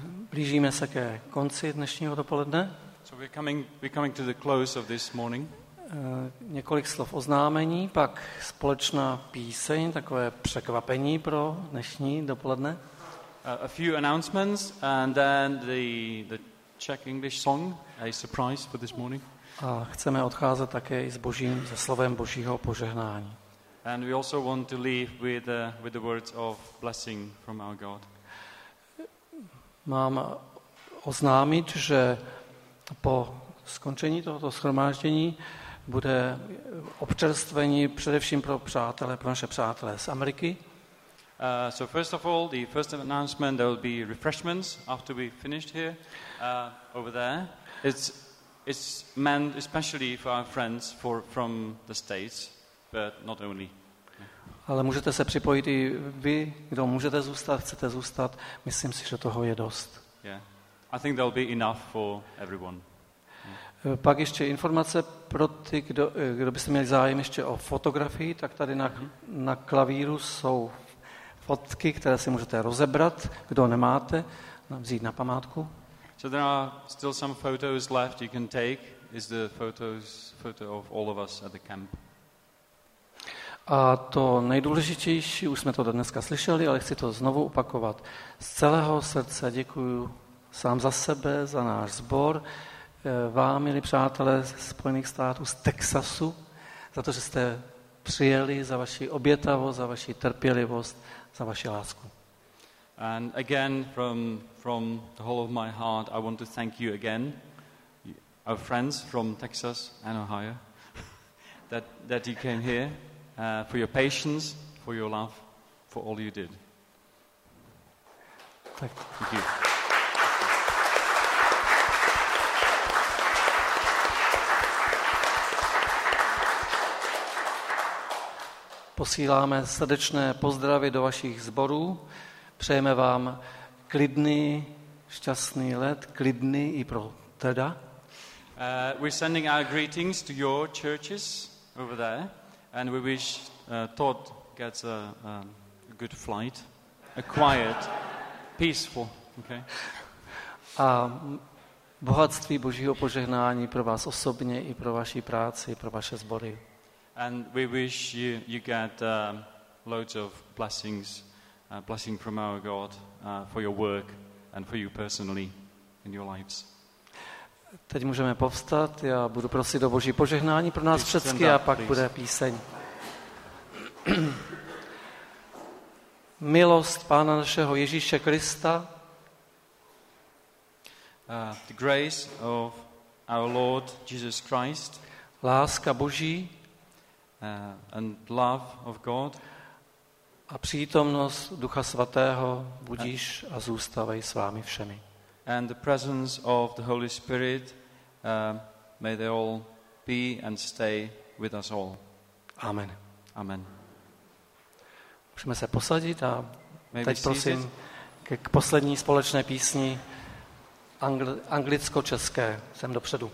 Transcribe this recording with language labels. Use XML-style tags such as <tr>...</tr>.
<cs>Blížíme se ke konci dnešního dopoledne.</cs> <en>So we're coming to the close of this morning.</en> <cs>Několik slov oznámení, pak společná píseň, takové překvapení pro dnešní dopoledne.</cs> <en>A few announcements and then the Czech English song, a surprise for this morning.</en> <cs>A chceme odcházet také i s Božím, se slovem Božího požehnání.</cs> <en>And we also want to leave with the words of blessing from our God.</en> <cs>Mám oznámit, že po skončení tohoto shromáždění bude občerstvení především pro přátele, pro naše přátele z Ameriky.</cs> <en>So first of all, the first announcement, there will be refreshments after we finished here, over there. It's meant especially for our friends from the States, but not only.</en> <cs>Ale můžete se připojit i vy, kdo můžete zůstat, chcete zůstat. Myslím si, že toho je dost.</cs> <en>Yeah. I think there'll be enough for everyone. Yeah.</en> <cs>Pak ještě informace pro ty, kdo byste měli zájem ještě o fotografii, tak tady na klavíru jsou fotky, které si můžete rozebrat, kdo nemáte, vzít na památku.</cs> <en>So there are still some photos left you can take. Is the photo of all of us at the camp.</en> <cs>A to nejdůležitější, už jsme to dneska slyšeli, ale chci to znovu opakovat. Z celého srdce děkuju sám za sebe, za náš sbor, vám, milí přátelé ze Spojených států, z Texasu, za to, že jste přijeli, za vaši obětavost, za vaši trpělivost, za vaši lásku.</cs> <en>And again, from the whole of my heart, I want to thank you again, our friends from Texas and Ohio, that you came here. For your patience, for your love, for all you did. Thank you.</en> <cs>Posíláme srdečné pozdravy do vašich zborů. Přejeme vám klidný, šťastný let, klidný i pro teda.</cs> <en>We're sending our greetings to your churches over there. And we wish Todd gets a good flight, a quiet, peaceful, okay?</en> <cs>bohatství Božího požehnání pro vás osobně i pro vaši práci, pro vaše sbory.</cs> <en>And we wish you get loads of blessings, blessing from our God for your work and for you personally in your lives.</en> <cs>Teď můžeme povstat, já budu prosit o Boží požehnání pro nás všechny a pak bude píseň. Milost Pána našeho Ježíše Krista.</cs> <en>The grace of our Lord Jesus Christ.</en> <cs>Láska Boží.</cs> <en>And love of God.</en> <cs>A přítomnost Ducha Svatého budíš a zůstavej s vámi všemi.</cs> <en>And the presence of the Holy Spirit, may they all be and stay with us all.</en> <cs>Amen.</cs> <en>Amen.</en> <cs>Můžeme se posadit a teď prosím k poslední společné písni anglicko-české sem dopředu.</cs>